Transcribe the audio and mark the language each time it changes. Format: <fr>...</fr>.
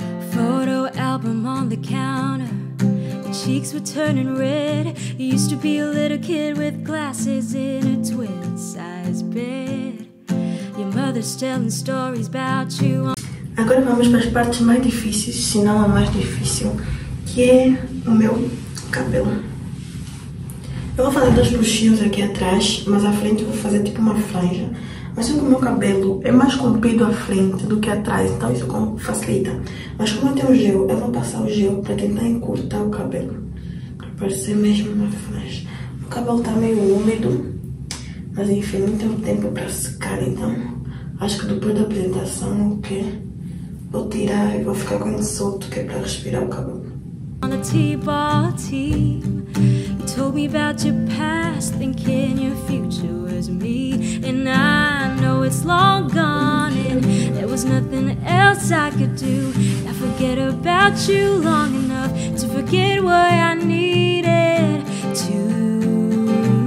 <en>Photo album on the counter. Cheeks were turning red. Used to be a little kid with glasses in a twin size bed. Your mother's telling stories about you.</en> <pt>Agora vamos para as partes mais difíceis, se não a mais difícil, que é o meu cabelo. Eu vou fazer dois buchinhos aqui atrás, mas à frente eu vou fazer tipo uma franja. Mas sendo que o meu cabelo é mais comprido à frente do que atrás, então isso facilita. Mas como eu tenho gel, eu vou passar o gel para tentar encurtar o cabelo, para parecer mesmo uma franja. O cabelo tá meio úmido, mas enfim, não tenho tempo para secar, então acho que depois da apresentação o quê? Vou tirar e vou ficar com ele solto, que é para respirar o cabelo.</pt> <en>On the T-ball team, you told me about your past, thinking your future was me. And I know it's long gone, and there was nothing else I could do. I forget about you long enough to forget what I needed to.</en>